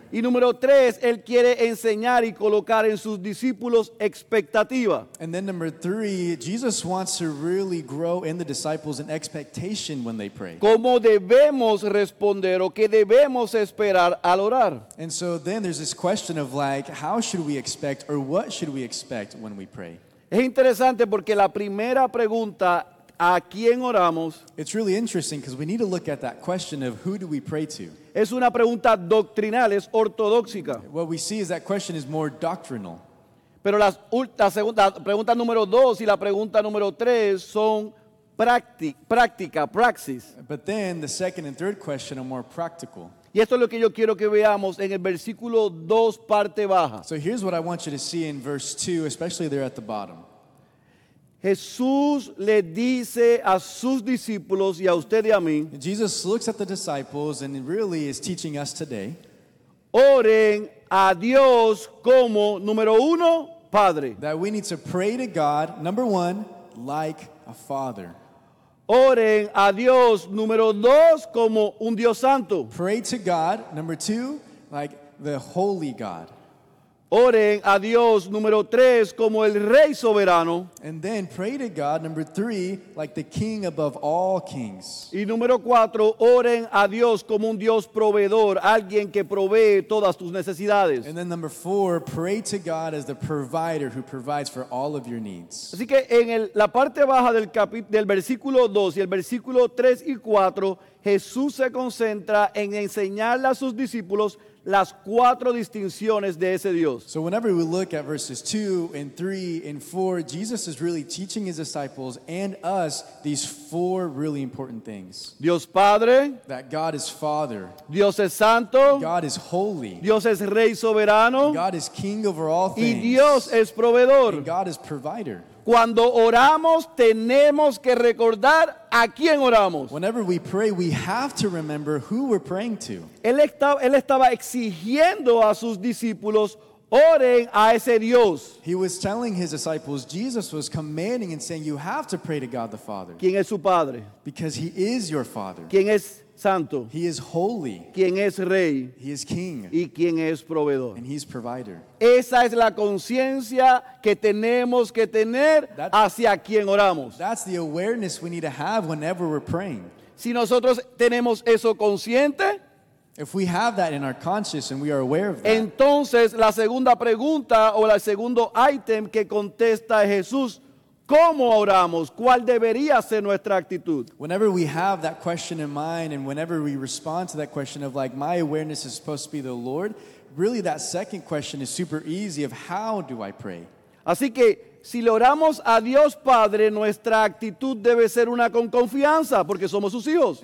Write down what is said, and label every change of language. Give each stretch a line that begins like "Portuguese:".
Spanish: Y número tres, él quiere enseñar y colocar en sus discípulos expectativa.
English: And then number three, Jesus wants to really grow in the disciples an expectation when they pray.
Spanish: ¿Cómo debemos responder o qué debemos esperar al orar?
English: And so then there's this question of like, how should we expect or what should we expect when we pray?
Spanish: Es interesante porque la primera pregunta, ¿a quién oramos?
English: It's really interesting because we need to look at that question of who do we pray to.
Spanish: Es una pregunta doctrinal, es ortodoxica.
English: What we see is that question is more doctrinal.
Spanish: Pero la pregunta número dos y la pregunta número tres son práctica, praxis.
English: But then the second and third question are more practical.
Spanish: Y esto es lo que yo quiero que veamos en el versículo 2, parte baja.
English: So here's what I want you to see in verse 2, especially there at the bottom.
Spanish: Jesús le dice a sus discípulos y a usted y a mí.
English: Jesus looks at the disciples and really is teaching us today.
Spanish: Oren a Dios como, número uno, Padre.
English: That we need to pray to God, number one, like a Father.
Spanish: Oren a Dios, número dos, como un Dios Santo.
English: Pray to God, number two, like the Holy God.
Spanish: Oren a Dios, número tres, como el Rey Soberano.
English: And then pray to God, number three, like the King above all kings.
Spanish: Y número cuatro, oren a Dios como un Dios proveedor, alguien que provee todas tus necesidades.
English: And then number four, pray to God as the provider who provides for all of your needs.
Spanish: Así que en la parte baja del versículo 2 y el versículo 3 y 4, Jesús se concentra en enseñarle a sus discípulos las cuatro distinciones de ese Dios.
English: So whenever we look at verses 2 and 3 and 4, Jesus is really teaching his disciples and us these four really important things.
Spanish: Dios Padre.
English: That God is Father.
Spanish: Dios es Santo.
English: God is Holy.
Spanish: Dios es Rey Soberano.
English: God is King over all things.
Spanish: Y Dios es Proveedor.
English: And God is Provider.
Spanish: Cuando oramos, tenemos que recordar a quién oramos.
English: Whenever we pray, we have to remember who we're praying to.
Spanish: Él estaba exigiendo a sus discípulos Oren a ese Dios.
English: He was telling his disciples, Jesus was commanding and saying, you have to pray to God the Father.
Spanish: ¿Quién es su padre?
English: Because he is your Father.
Spanish: ¿Quién es santo?
English: He is holy.
Spanish: ¿Quién es rey?
English: He is king.
Spanish: ¿Y quién es proveedor?
English: And he's provider.
Spanish: Esa es la conciencia que tenemos que tener hacia quien oramos.
English: That's the awareness we need to have whenever we're praying.
Spanish: Si nosotros tenemos eso consciente,
English: if we have that in our conscience and we are aware of that,
Spanish: entonces la segunda pregunta o el segundo item que contesta Jesús, ¿cómo oramos? ¿Cuál debería ser nuestra actitud?
English: Whenever we have that question in mind and whenever we respond to that question of like, my awareness is supposed to be the Lord, really that second question is super easy of how do I pray?
Spanish: Así que si le oramos a Dios Padre, nuestra actitud debe ser una con confianza, porque somos sus hijos.